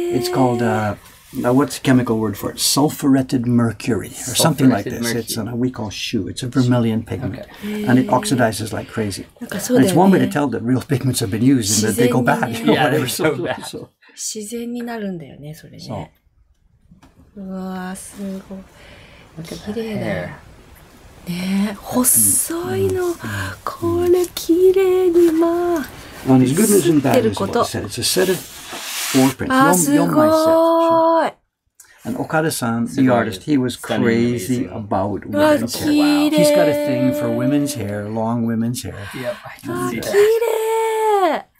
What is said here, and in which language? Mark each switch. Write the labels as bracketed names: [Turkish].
[English] It's called, what's the chemical word for it? Sulfurated mercury or something like this. It's on a, we call shu. It's a vermilion pigment. Okay. And it oxidizes like crazy. And it's one way to tell that real pigments have been used and that they go bad. You know, yeah, whatever. So bad. So. [Japanese] 自然になるんだよね、それね。うわ、すごい。綺麗だ。ね、細いの。これ綺麗にまあ。 [English] On his goodness and badness, what he said. It's a set of four prints. [Japanese] Ah,すごい. [English] And Okada-san, the artist, he was crazy about women's hair. Wow. He's got a thing for women's hair, long women's hair. Yep, I can see that.